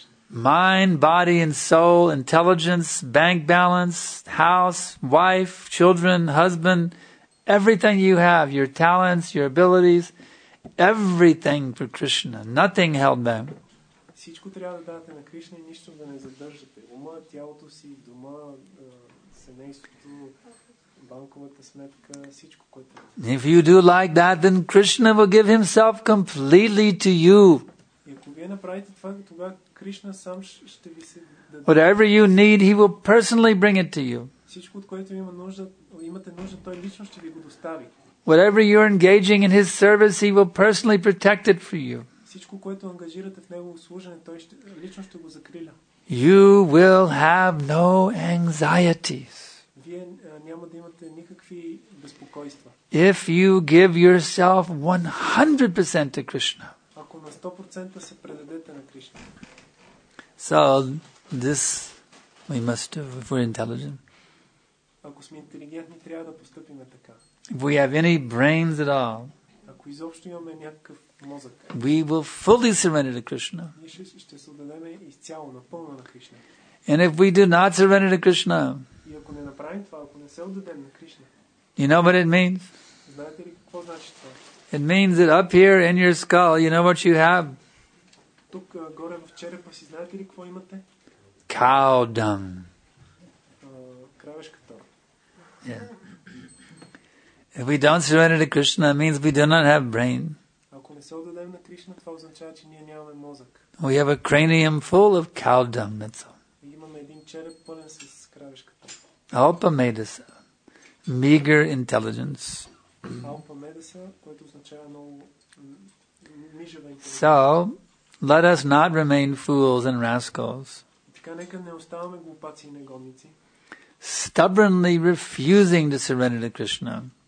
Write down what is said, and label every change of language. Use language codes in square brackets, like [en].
[en] Mind, body and soul, intelligence, bank balance, house, wife, children, husband, everything you have, your talents, your abilities, everything for Krishna, nothing held back. [bg] всичко трябва да давате на Кришна и нищо да не задържате. Ума, тялото си, дома, семейството, банковата сметка, всичко, което... [en] If you do like that, then Krishna will give himself completely to you. [bg] И ако вие направите това, тогава Кришна сам ще ви се... [en] Whatever you need, he will personally bring it to you. [bg] Всичко, от което имате нужда, той лично ще ви го достави. [en] Whatever you're engaging in his service, he will personally protect it for you. [bg] Всичко, което ангажирате в негово служене, той лично ще го закриля. [en] You will have no anxieties. [bg] Вие няма да имате никакви безпокойства. [en] If you give yourself 100% to Krishna. [bg] Ако на 100% се предадете на Кришна. [en] So this we must do if we're intelligent. [bg] Ако сме интелигентни, трябва да постъпим така. [en] If we have any brains at all, [bg] ако изобщо имаме някакъв мозък, [en] we will fully surrender to Krishna. [bg] Ще се отдадем изцяло, напълно на Кришна. [en] And if we do not surrender to Krishna, [bg] и ако не направим това, ако не се отдадем на Кришна, [en] you know what it means? [bg] Знаете ли какво значи това? [en] It means that up here in your skull, you know what you have? [bg] Тук горе в черепа си, знаете ли какво имате? [en] Cow dung. [bg] Кравешката. [en] Yeah. If we don't surrender to Krishna, it means we do not have brain. [bg] Ако не се отдадем на Кришна, това означава, че ние нямаме мозък. [en] We have a cranium full of cow dung, that's all. [bg] Имаме един череп пълен с кравешката. [en] Alpa medasa, meager intelligence. [bg] Alpa medasa, което означава много мижава интелигентност. [en] So, let us not remain fools and rascals. [bg] Така нека не оставаме глупаци и негодници. [en] Stubbornly refusing to surrender to Krishna.